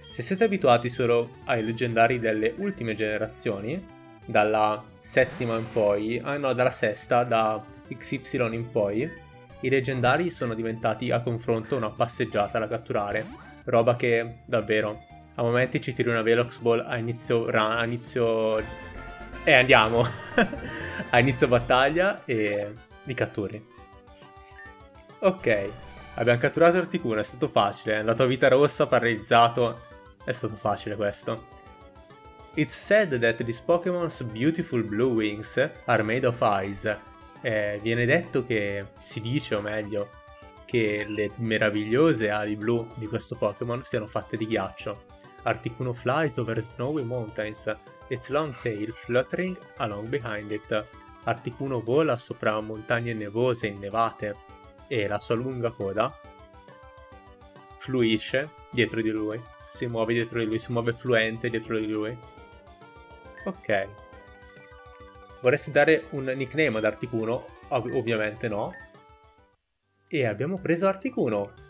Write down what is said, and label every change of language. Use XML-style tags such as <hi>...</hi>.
<it>Se siete abituati solo ai leggendari delle ultime generazioni, dalla settima in poi, dalla sesta, da XY in poi, i leggendari sono diventati a confronto una passeggiata da catturare, roba che davvero a momenti ci tiri una Velox Ball a inizio run, a inizio e andiamo a inizio battaglia e li catturi. Ok, abbiamo catturato Articuno, è stato facile, la tua vita rossa paralizzato, è stato facile questo.</it> <en>It's said that this Pokémon's beautiful blue wings are made of ice.</en> <it>Viene detto che, si dice o meglio, che le meravigliose ali blu di questo Pokémon siano fatte di ghiaccio.</it> <en>Articuno flies over snowy mountains, its long tail fluttering along behind it.</en> <it>Articuno vola sopra montagne nevose e innevate e la sua lunga coda fluisce dietro di lui, si muove dietro di lui, si muove fluente dietro di lui. Ok. Vorresti dare un nickname ad Articuno? Ovviamente no. E abbiamo preso Articuno.</it>